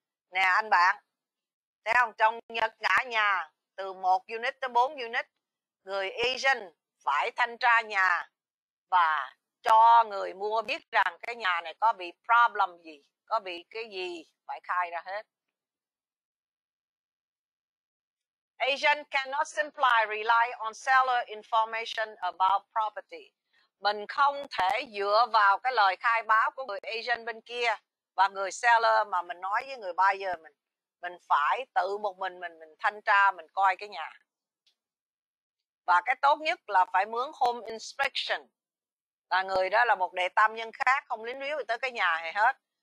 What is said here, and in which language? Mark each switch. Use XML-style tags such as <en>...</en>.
<vi>Nè anh bạn, thấy không? Trong Nhật ngã nhà, từ 1 unit tới 4 unit, người agent phải thanh tra nhà và cho người mua biết rằng cái nhà này có bị problem gì, có bị cái gì, phải khai ra hết.</vi> <en>Agent cannot simply rely on seller information about property.</en> <vi>Mình không thể dựa vào cái lời khai báo của người agent bên kia và người seller mà mình nói với người buyer mình. Mình phải tự một mình thanh tra, mình coi cái nhà. Và cái tốt nhất là phải mướn home inspection. Là người đó là một đệ tam nhân khác, không lính líu tới cái nhà hay hết.</vi>